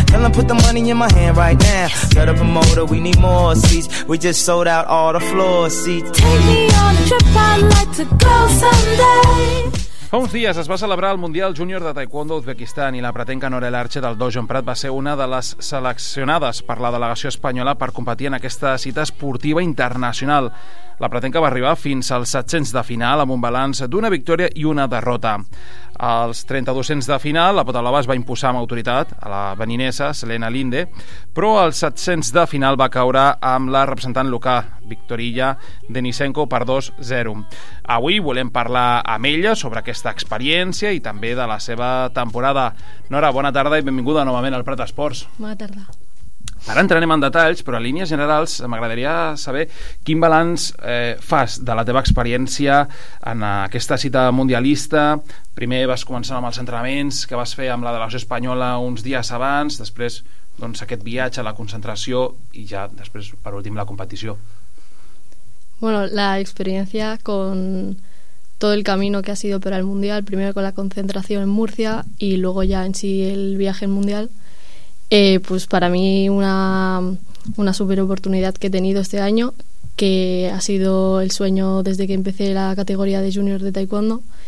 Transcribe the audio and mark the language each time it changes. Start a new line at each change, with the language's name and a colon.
English: Tell them put the money in my hand right now. Set up a motor, we need more seats. We just sold out all the floor seats. Take me on a trip, I'd like to go someday.
Catalan: Fa uns dies es va celebrar el Mundial Júnior de Taekwondo d'Uzbekistan i la pretenca Nora Elarche del Dojo en Prat va ser una de les seleccionades per la delegació espanyola per competir en aquesta cita esportiva internacional. La pretenca va arribar fins als 700 de final amb un balanç d'una victòria i una derrota. Als 3200 de final, la Potalova es va imposar amb autoritat a la beninesa Selena Linde, però als 700 de final va caure amb la representant local, Victorilla Denisenko, per 2-0. Avui volem parlar amb ella sobre aquesta experiència i també de la seva temporada. Nora, bona tarda i benvinguda novament al Prat Esports. Bona tarda. Ara entrarem en detalls, però a línies generals m'agradaria saber quin balanç fas de la teva experiència en aquesta cita mundialista. Primer vas començar amb els entrenaments que vas fer amb la delegació espanyola uns dies abans, després doncs, aquest viatge, la concentració i ja després, per últim, la competició.
Spanish: Bueno, la experiencia con todo el camino que ha sido para el Mundial, primero con la concentración en Murcia y luego ya en sí el viaje en Mundial. Pues para mí una super oportunidad que he tenido este año, que ha sido el sueño desde que empecé la categoría de junior de taekwondo.